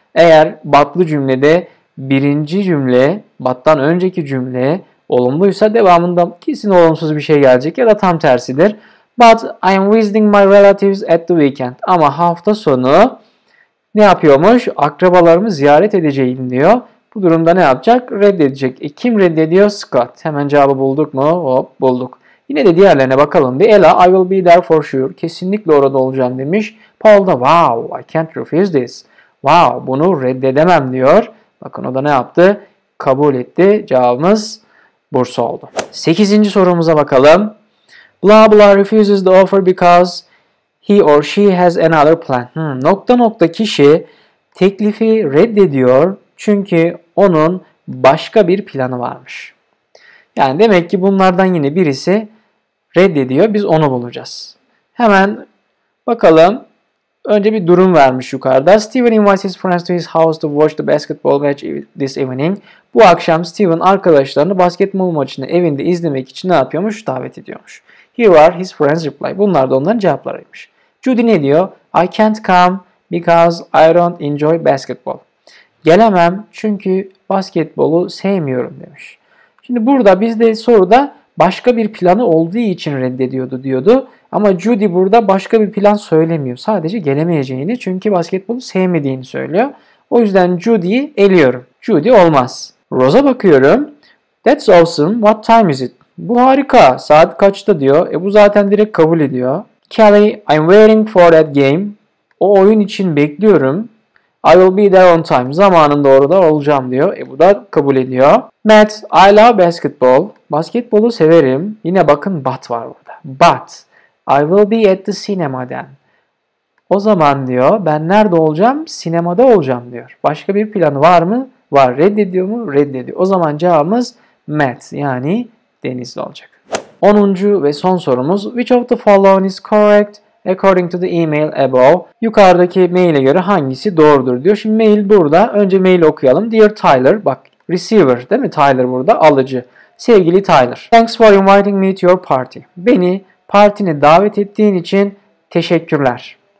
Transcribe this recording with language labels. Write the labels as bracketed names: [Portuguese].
[Turkish] Eğer butlu cümlede birinci cümle, but'tan önceki cümle olumluysa devamında kesin olumsuz bir şey gelecek ya da tam tersidir. [English] But I am visiting my relatives at the weekend. [Turkish] Ama hafta sonu ne yapıyormuş? Akrabalarımı ziyaret edeceğim diyor. Bu durumda ne yapacak? Reddedecek. E kim reddediyor? Scott. Hemen cevabı bulduk mu? Hop bulduk. Yine de diğerlerine bakalım. [English] Bir Ella, I will be there for sure. [Turkish] Kesinlikle orada olacağım demiş. Paul da [English] wow, I can't refuse this. [Turkish] Wow, bunu reddedemem diyor. Bakın o da ne yaptı? Kabul etti. Cevabımız bursa oldu. 8. sorumuza bakalım. [English] Blah blah refuses the offer because he or she has another plan. [Turkish] Nokta nokta kişi teklifi reddediyor çünkü onun başka bir planı varmış. Yani demek ki bunlardan yine birisi reddediyor. Biz onu bulacağız. Hemen bakalım. Önce bir durum vermiş yukarıda. [English] Steven invites his friends to his house to watch the basketball match this evening. [Turkish] Bu akşam Steven arkadaşlarını basketbol maçını evinde izlemek için ne yapıyormuş? Davet ediyormuş. [English] Here are his friends' reply. [Turkish] Bunlar da onların cevaplarıymış. Judy ne diyor? [English] I can't come because I don't enjoy basketball. [Turkish] Gelemem çünkü basketbolu sevmiyorum demiş. Şimdi burada bizde soruda başka bir planı olduğu için reddediyordu diyordu. Ama Judy burada başka bir plan söylemiyor. Sadece gelemeyeceğini çünkü basketbolu sevmediğini söylüyor. O yüzden Judy'yi eliyorum. Judy olmaz. Rose'a bakıyorum. [English] That's awesome. What time is it? [Turkish] Bu harika. Saat kaçta diyor. E bu zaten direkt kabul ediyor. Kelly, [English] I'm waiting for that game. [Turkish] O oyun için bekliyorum. [English] I will be there on time. [Turkish] Zamanında orada olacağım diyor. E bu da kabul ediyor. Matt, [English] I love basketball. [Turkish] Basketbolu severim. Yine bakın but var burada. [English] But, I will be at the cinema then. [Turkish] O zaman diyor, ben nerede olacağım? Sinemada olacağım diyor. Başka bir planı var mı? Var. Reddediyor mu? Reddediyor. O zaman cevabımız Matt, yani Deniz'de olacak. 10. ve son sorumuz. [English] Which of the following is correct according to the email above? [Turkish] Yukarıdaki maile göre hangisi doğrudur diyor. Şimdi mail burada. Önce maili okuyalım. [English] Dear Tyler, [Turkish] bak receiver değil mi? Tyler burada alıcı. Sevgili Tyler. [English] Thanks for inviting me to your party. [Turkish] Beni partine davet ettiğin için teşekkürler.